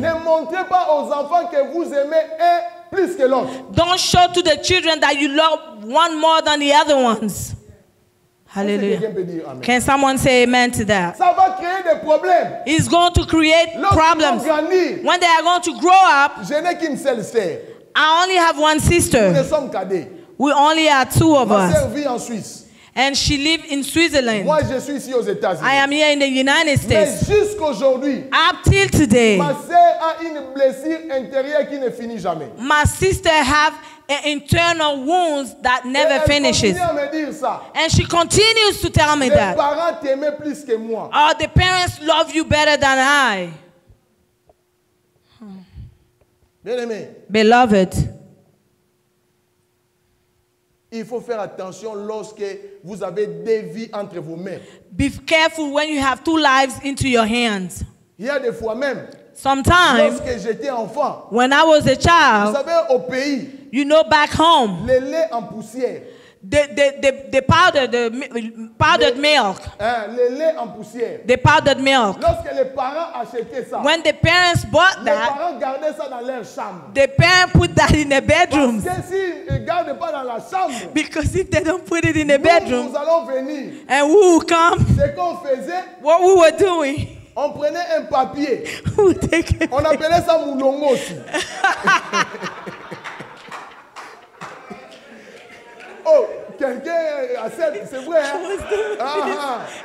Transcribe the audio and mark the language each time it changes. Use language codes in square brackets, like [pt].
[fr] Ne montrez pas aux enfants que vous aimez un plus que l'autre. [en] Don't show to the children that you love one more than the other ones. Hallelujah. Can someone say amen to that? [fr] Ça va créer des problèmes. [en] It's going to create problems. When they are going to grow up, [fr] je n'ai qu'une seule sœur. [en] I only have one sister. [fr] Nous ne sommes cadets. [en] We only are two of [fr] ma [en] us. [fr] Ma sœur vit en Suisse. [en] And she lives in Switzerland. [fr] Moi, je suis ici aux États-Unis. [en] I am here in the United States. [fr] Mais jusqu'aujourd'hui, [en] up till today, [fr] ma sœur a une blessure intérieure qui ne finit jamais. [en] My sister have an internal wounds that never finishes. And she continues to tell me [fr] les [en] that. [fr] Parents t'aimaient plus que moi. [en] Oh, the parents love you better than I. [fr] Bien-aimé, [en] beloved, [fr] il faut faire attention lorsque vous avez deux vies entre vos mains. [en] Be careful when you have two lives into your hands. [fr] Il y a des fois même, [en] sometimes, [fr] lorsque j'étais enfant, [en] when I was a child, [fr] vous savez, au pays, [en] you know, back home, [fr] le lait en poussière, [en] the powdered milk, [fr] hein, le lait en poussière, [en] the powdered milk. [fr] Lorsque les parents achetaient ça, [en] when the parents bought [fr] les [en] that, [fr] les parents gardaient ça dans leur chambre. [en] The parents put that in their bedroom. [fr] Parce que si ils gardent pas dans la chambre, [en] because if they don't put it in the bedroom, [fr] nous allons venir, [en] and we will come. [fr] Ce qu'on faisait, [en] what we were doing. [fr] On prenait un papier. [en] We take a [fr] on appelait ça moulongo aussi. Oh, quelqu'un accepte, c'est vrai. Hein?